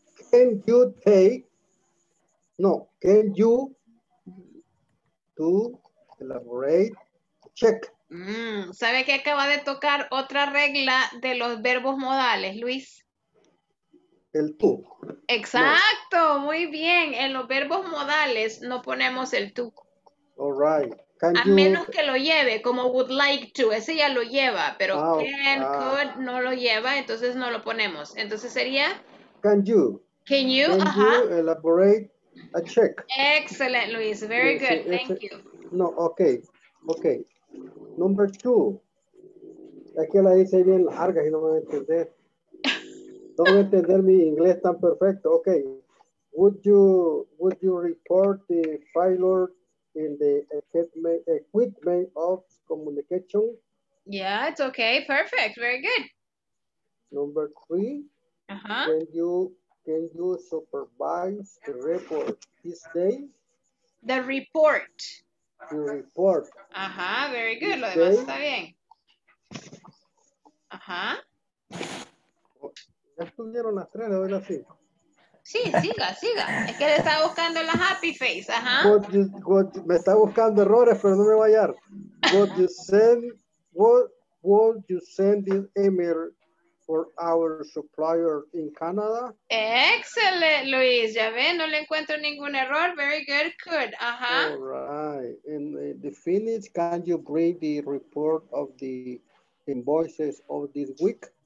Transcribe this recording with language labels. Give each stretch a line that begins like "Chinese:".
English: Can you take, no, can you to elaborate a check?
Spanish: ¿Sabe que acaba de tocar otra regla de los verbos modales, Luis? El tú. Exacto, no. Muy bien. En los verbos modales no ponemos el tú.
English: All right.
Spanish: Can a you... menos que lo lleve, como
English: would like to.
Spanish: Ese ya lo lleva, pero oh, can, could, no lo lleva, entonces no lo ponemos. Entonces sería...
English: Can you. Can you. Can you elaborate a check. Excellent, Luis. Very yes, good. Thank you. No, okay. Okay. Number two.
Spanish: Aquí la dice bien larga y no me voy a entender. No voy a entender mi inglés tan perfecto.
English: Okay. Would you report the failure in the equipment of communication? Yeah, it's okay. Perfect. Very good. Number three. Uh-huh. Can you supervise the report this day? The report. The report. Uh-huh. Very good.
Spanish: Lo demás está bien.
English: Uh-huh.
Spanish: Ya estuvieron las tres, le doy las cinco. Sí, siga, siga. Es que le está buscando la happy face, ajá. Me está buscando errores, pero no me va a hallar.
English: Would you send this email for our supplier in Canada?
Spanish: Excellent, Luis. Ya ve, no le encuentro ningún error.
English: Very good, good.
Spanish: Ajá.
English: All right. In the finish, can you bring the report of the invoices of this week?